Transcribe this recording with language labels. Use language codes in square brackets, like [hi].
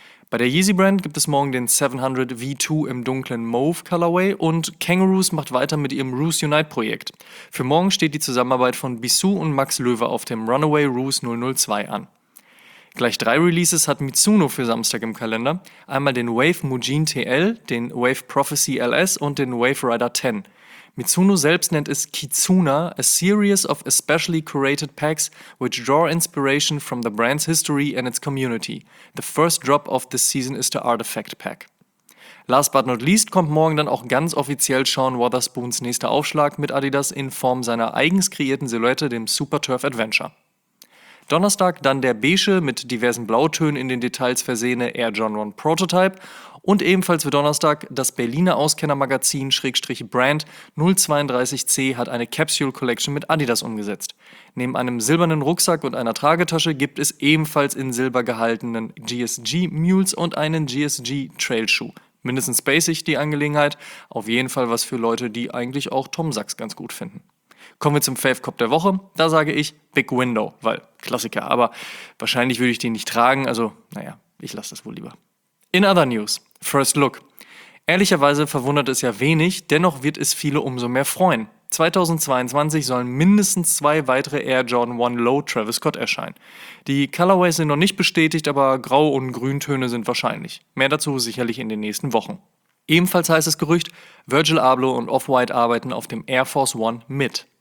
[de] Bei der Yeezy Brand gibt es morgen den 700 V2 im dunklen Mauve Colorway und Kangaroos macht weiter mit ihrem Roos Unite Projekt. Für morgen steht die Zusammenarbeit von Bissou und Max Löwe auf dem Runaway Roos 002 an. Gleich 3 Releases hat Mizuno für Samstag im Kalender. Einmal den Wave Mugen TL, den Wave Prophecy LS und den Wave Rider 10. Mizuno selbst nennt es [en] Kitsuna, a series of especially curated packs which draw inspiration from the brand's history and its community. The first drop of this season is the Artifact Pack. Last but not least [de] kommt morgen dann auch ganz offiziell Sean Wotherspoons nächster Aufschlag mit Adidas in Form seiner eigens kreierten Silhouette, dem Super Turf Adventure. Donnerstag dann der beige, mit diversen Blautönen in den Details versehene Air Jordan 1 Prototype und ebenfalls für Donnerstag das Berliner Auskennermagazin /Brand 032C hat eine Capsule Collection mit Adidas umgesetzt. Neben einem silbernen Rucksack und einer Tragetasche gibt es ebenfalls in Silber gehaltenen GSG Mules und einen GSG Trailschuh. Mindestens basic die Angelegenheit, auf jeden Fall was für Leute, die eigentlich auch Tom Sachs ganz gut finden. Kommen wir zum Fave Cop der Woche. Da sage ich Big Window, weil Klassiker, aber wahrscheinlich würde ich den nicht tragen, also naja, ich lasse das wohl lieber. [en] In other news, first look. [de] Ehrlicherweise verwundert es ja wenig, dennoch wird es viele umso mehr freuen. 2022 sollen mindestens 2 weitere Air Jordan 1 Low Travis Scott erscheinen. Die Colorways sind noch nicht bestätigt, aber Grau- und Grüntöne sind wahrscheinlich. Mehr dazu sicherlich in den nächsten Wochen. Ebenfalls heißt das Gerücht, Virgil Abloh und Off-White arbeiten auf dem Air Force 1 mit.